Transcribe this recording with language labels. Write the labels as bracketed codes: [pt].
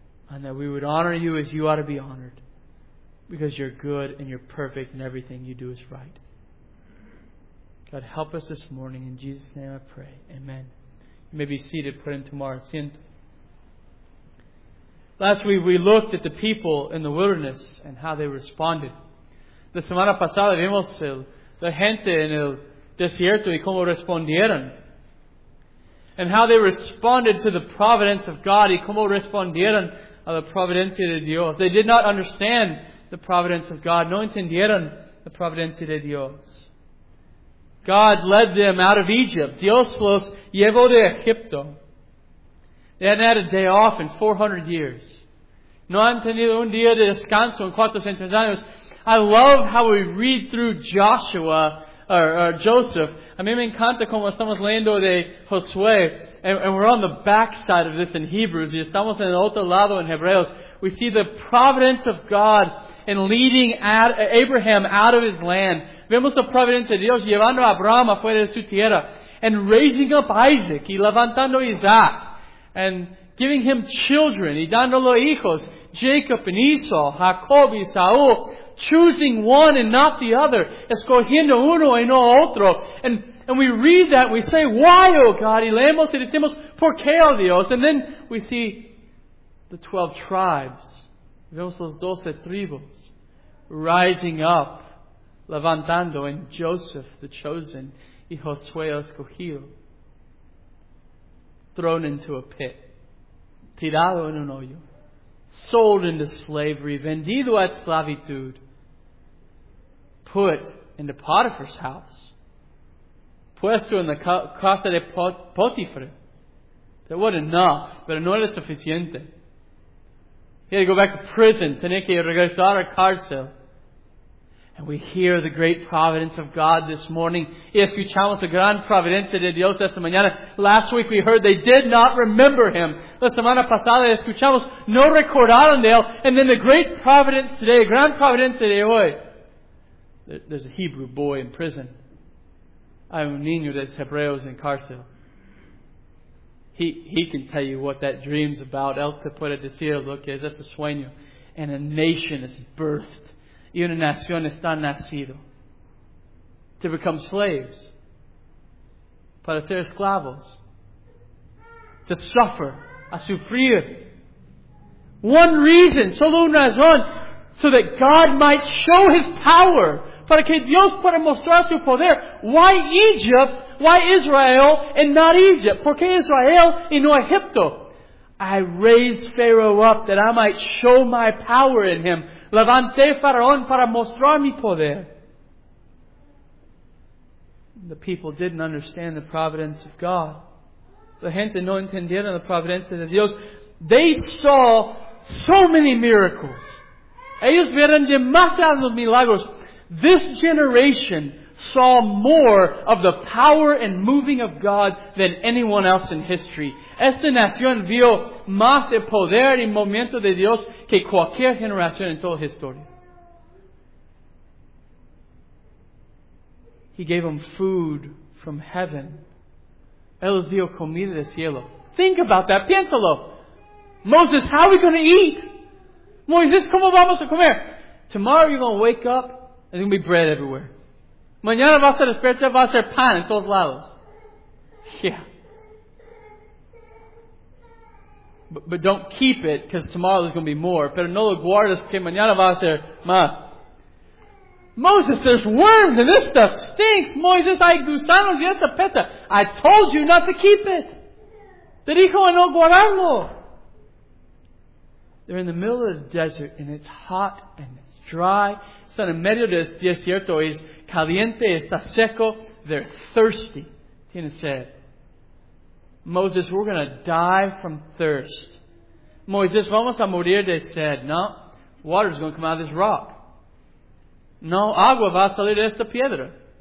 [en] And that we would honor you as you ought to be honored. Because you're good and you're perfect and everything you do is right. God, help us this morning. In Jesus' name I pray. Amen. You may be seated. Put in tomorrow. [es] Siento. [en] Last week we looked at the people in the wilderness and how they responded. [es] La semana pasada vimos la gente en el desierto y cómo respondieron. [en] And how they responded to the providence of God [es] y cómo respondieron a la providencia de Dios. [en] They did not understand the providence of God. [es] No entendieron la providencia de Dios. [en] God led them out of Egypt. [es] Dios los llevó de Egipto. [en] They hadn't had a day off in 400 years. [es] No han tenido un día de descanso en 400 años. [en] I love how we read through Joshua, or Joseph. [es] A mí me encanta cómo estamos leyendo de Josué. [en] And we're on the back side of this in Hebrews. [es] Y estamos en el otro lado en Hebreos. [en] We see the providence of God in leading Abraham out of his land. [es] Vemos la providencia de Dios llevando a Abraham afuera de su tierra. [en] And raising up Isaac [es] y levantando Isaac. [en] And giving him children, [es] y dándolo hijos, [en] Jacob and Esau, [es] Jacob y Saul, [en] choosing one and not the other, [es] escogiendo uno y no otro. [en] And we read that, we say, why, oh God, [es] y leemos y decimos, por qué, oh Dios? [en] And then we see the 12 tribes, [es] vemos los 12 tribus, [en] rising up, [es] levantando, [en] and Joseph, the chosen, [es] y Josué escogido. [en] Thrown into a pit. [es] Tirado en un hoyo. [en] Sold into slavery. [es] Vendido a esclavitud. [en] Put into Potiphar's house. [es] Puesto en la casa de Potiphar. [en] That wasn't enough. [es] Pero no era suficiente. [en] He had to go back to prison. [es] Tenía que regresar a cárcel. [en] And we hear the great providence of God this morning. [es] Y escuchamos la gran providencia de Dios esta mañana. [en] Last week we heard they did not remember Him. [es] La semana pasada escuchamos, no recordaron de Él. [en] And then the great providence today, [es] gran providencia de hoy. [en] There's a Hebrew boy in prison. [es] Hay un niño de Hebreos en cárcel. [en] He can tell you what that dream's about. [es] Él te puede decir lo que es ese sueño. [en] And a nation is birthed. [es] Y una nación está nacido. [en] to become slaves, [es] para ser esclavos, [en] to suffer, [es] a sufrir. [en] One reason, [es] solo una razón, [en] so that God might show His power, [es] para que Dios pueda mostrar su poder. [en] Why Egypt? Why Israel and not Egypt? [es] ¿Por qué Israel y no Egipto? [en] I raised Pharaoh up that I might show my power in him. [es] Levanté Faraón para mostrar mi poder. [en] The people didn't understand the providence of God. [es] La gente no entendieron la providencia de Dios. [en] They saw so many miracles. [es] Ellos vieron demasiados milagros. [en] This generation saw more of the power and moving of God than anyone else in history. [es] Esta nación vio más el poder y movimiento de Dios que cualquier generación en toda historia. [en] He gave them food from heaven. [es] Él les dio comida del cielo. [en] Think about that. [es] Piénsalo. [en] Moses, how are we going to eat? [es] Moisés, ¿cómo vamos a comer? [en] Tomorrow you're going to wake up and there's going to be bread everywhere. [es] Mañana vas a despertar, vas a hacer pan en todos lados. [en] Yeah. But don't keep it, because tomorrow there's going to be more. [es] Pero no lo guardes, porque mañana vas a hacer más. [en] Moses, there's worms and this stuff stinks. [es] Moisés, hay gusanos y esta peta. [en] I told you not to keep it. [es] Te dijo no guardarlo. [en] They're in the middle of the desert, and it's hot and it's dry. Son, en medio del desierto es caliente, está seco. They're thirsty. [es] Tiene sed. [en] Moses, we're going to die from thirst. [es] Moisés, vamos a morir de sed. [en] No, water is going to come out of this rock. [es] No, agua va a salir de esta piedra.